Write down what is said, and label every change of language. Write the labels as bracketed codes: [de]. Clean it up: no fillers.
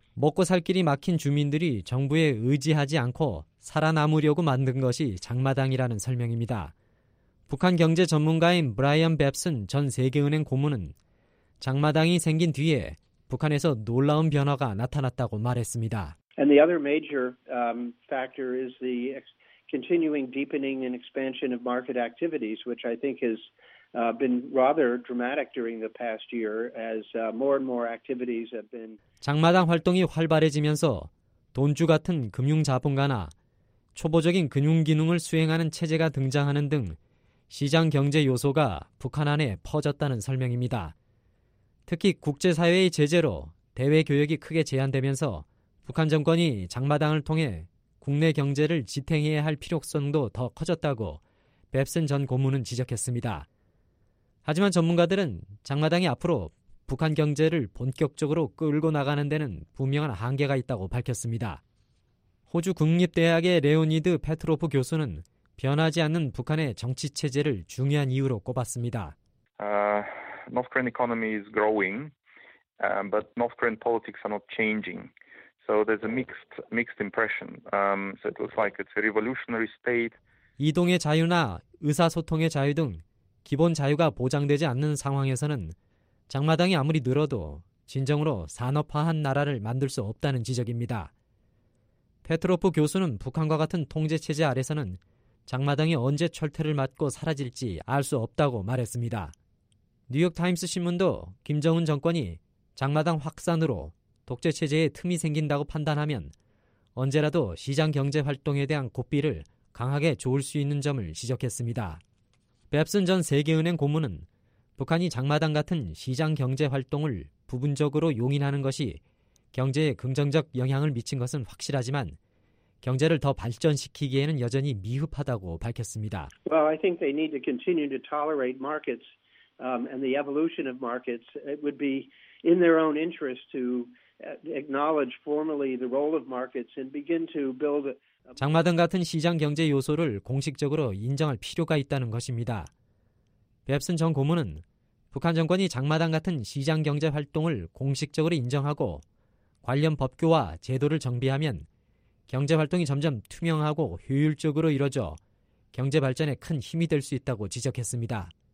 [ko] 먹고 살 길이 막힌 주민들이 정부에 의지하지 않고 살아남으려고 만든 것이 장마당이라는 설명입니다. 북한 경제 전문가인 브라이언 뱁슨 전 세계은행 고문은 장마당이 생긴 뒤에 북한에서 놀라운 변화가 나타났다고 말했습니다. [en] And the other major factor is the continuing deepening and expansion of market activities, which I think has been rather dramatic during the past year as more and more activities have been [ko] 장마당 활동이 활발해지면서 돈주 같은 금융 자본가나 초보적인 금융 기능을 수행하는 체제가 등장하는 등 시장 경제 요소가 북한 안에 퍼졌다는 설명입니다. 특히 국제사회의 제재로 대외 교역이 크게 제한되면서 북한 정권이 장마당을 통해 국내 경제를 지탱해야 할 필요성도 더 커졌다고 뱁슨 전 고문은 지적했습니다. 하지만 전문가들은 장마당이 앞으로 북한 경제를 본격적으로 끌고 나가는 데는 분명한 한계가 있다고 밝혔습니다. 호주 국립대학의 레오니드 페트로프 교수는 변하지 않는 북한의 정치 체제를 중요한 이유로 꼽았습니다. [en] North Korean economy is growing, but North Korean politics are not changing. So there's a mixed impression. So it looks like it's a revolutionary state. [ko] 이동의 자유나 의사소통의 자유 등 기본 자유가 보장되지 않는 상황에서는 장마당이 아무리 늘어도 진정으로 산업화한 나라를 만들 수 없다는 지적입니다. 페트로프 교수는 북한과 같은 통제 체제 아래서는 장마당이 언제 철퇴를 맞고 사라질지 알 수 없다고 말했습니다. 뉴욕타임스 신문도 김정은 정권이 장마당 확산으로 독재 체제에 틈이 생긴다고 판단하면 언제라도 시장 경제 활동에 대한 고삐를 강하게 조을 수 있는 점을 지적했습니다. 뱁슨 전 세계은행 고문은 북한이 장마당 같은 시장 경제 활동을 부분적으로 용인하는 것이 경제에 긍정적 영향을 미친 것은 확실하지만 경제를 더 발전시키기에는 여전히 미흡하다고 밝혔습니다. [en] Well, I think they need to continue to tolerate markets and the evolution of markets. It would be in their own interest to acknowledge formally the role of markets and begin to build. [ko] 장마당 같은 시장 경제 요소를 공식적으로 인정할 필요가 있다는 것입니다. 뱁슨 전 고문은 북한 정권이 장마당 같은 시장 경제 활동을 공식적으로 인정하고 관련 법규와 제도를 정비하면 경제 활동이 점점 투명하고 효율적으로 이루어져 경제 발전에 큰 힘이 될 수 있다고 지적했습니다.